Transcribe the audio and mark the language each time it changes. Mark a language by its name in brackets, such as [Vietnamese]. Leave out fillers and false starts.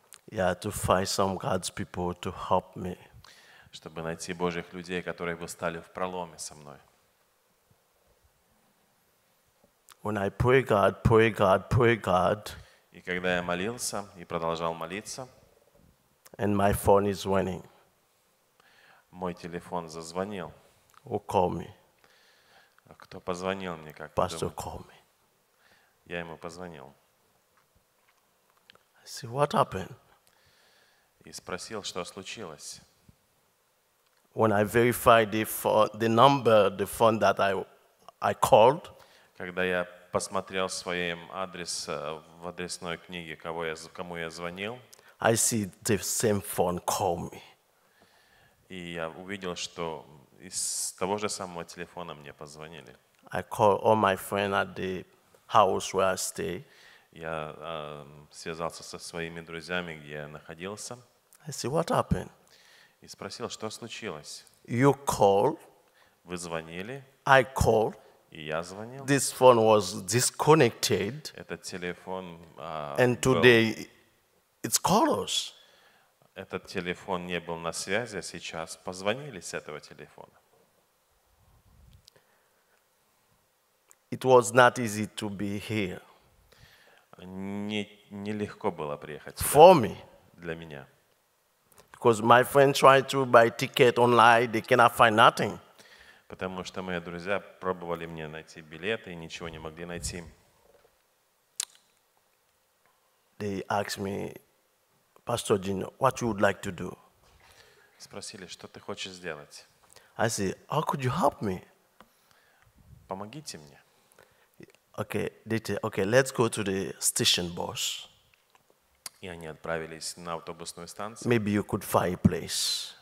[English] Yeah, to find some God's people to help me. [Russian] Чтобы найти Божьих людей, которые бы стали в проломе со мной. [English] When I pray God, pray God, pray God. [Russian] И когда я молился и продолжал молиться. [English] And my phone is ringing. [Russian] Мой телефон зазвонил. [English] Who called me? [Russian] Кто позвонил мне, как думаете? [English] Pastor called me. [Russian] Я ему позвонил. [English] I said, what happened? [Russian] И спросил, что случилось. [English] When I verified the number, the phone that I called, [Russian] когда я посмотрел свой адрес в адресной книге, кому я звонил, [English] I see the same phone call me. [Russian] И я увидел, что из того же самого телефона мне позвонили. [English] I called all my friends at the house where I stay. [Russian] Я связался со своими друзьями, где я находился. [English] I said, what happened? [Russian] И спросил, что случилось. [English] You call. [Russian] Вы звонили. [English] I call. [Russian] И я звонил. [English] This phone was disconnected. [Russian] Этот телефон. [English] And today, it's callers. [Russian] Этот телефон не был на связи, а сейчас позвонили с этого телефона. [English] It was not easy to be here. [Russian] Не легко было приехать сюда. [English] For me. [Russian] Для меня. [English] Because my friend tried to buy ticket online, they cannot find nothing. [Russian] Потому что мои друзья пробовали мне найти билеты и ничего не могли найти. [English] They asked me, Pastor Gene, what you would like to do? [Russian] Спросили, что ты хочешь сделать? [English] I said, how could you help me? [Russian] Помогите мне. [English] Okay, let's go to the station, boss. [Russian] И они отправились на автобусную станцию. [English] Maybe you could find a place.